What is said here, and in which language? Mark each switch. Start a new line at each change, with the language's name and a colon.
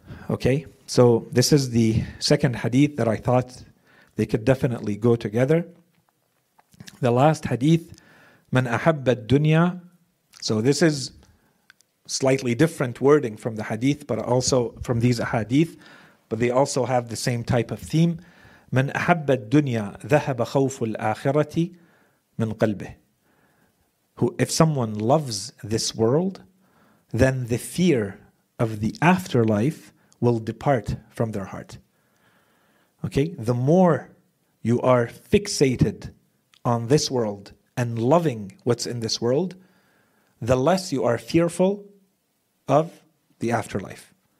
English: Okay, so this is the second hadith that I thought they could definitely go together. The last hadith,
Arabic: من أحب الدنيا.
English: So this is slightly different wording from the hadith, but also from these hadith, but they also have the same type of theme.
Arabic: من أحب الدنيا ذهب خوف الآخرة من قلبه.
English: Who, if someone loves this world, then the fear of the afterlife will depart from their heart. Okay? The more you are fixated on this world and loving what's in this world, the less you are fearful of the afterlife.